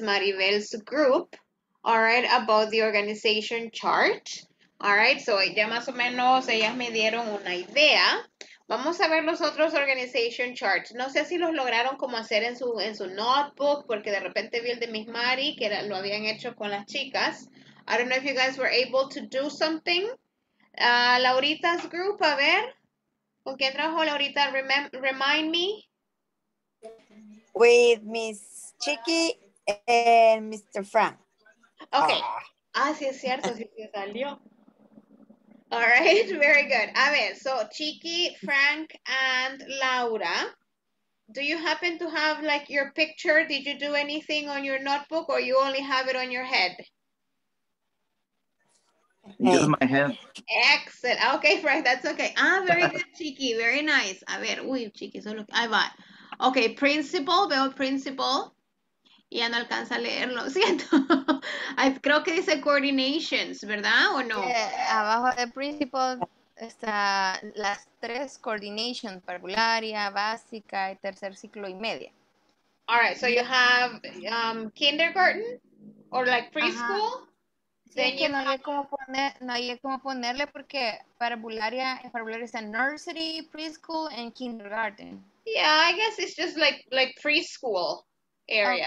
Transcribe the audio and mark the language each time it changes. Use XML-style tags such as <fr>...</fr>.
<en>Maribel's group, all right, about the organization chart.</en> <es>All right, so ya más o menos ellas me dieron una idea. Vamos a ver los otros organization charts. No sé si los lograron como hacer en su notebook, porque de repente vi el de Ms. Mari, que era, lo habían hecho con las chicas.</es> <en>I don't know if you guys were able to do something.</en> <es>Laurita's group, a ver. ¿Con quién trabajó Laurita?</es> <en>Remind me. With Miss Chiqui and Mr. Frank.</en> <es>Okay. Ah, sí, es cierto, sí, sí salió.</es> <en>All right, very good. A ver, so Chiqui, Frank, and Laura. Do you happen to have like your picture? Did you do anything on your notebook or you only have it on your head? Use my hand. Excellent. Okay, Frank, that's okay. Ah, very good, Chiqui. Very nice.</en> <es>A ver, uy, Chiqui, solo ahí va. Okay, principal, veo principal. Y ya no alcanza a leerlo, siento. Creo que dice coordinations, ¿verdad? ¿O no? Abajo de principal está las tres coordinations, parvularia, básica, y tercer ciclo y media.</es> <en>All right, so you have kindergarten or like preschool. Uh-huh.</en> <es>Sí, es que no hay como poner, no hay como ponerle porque parvularia es en nursery, preschool, and kindergarten.</es> <en>Yeah, I guess it's just like preschool area.</en>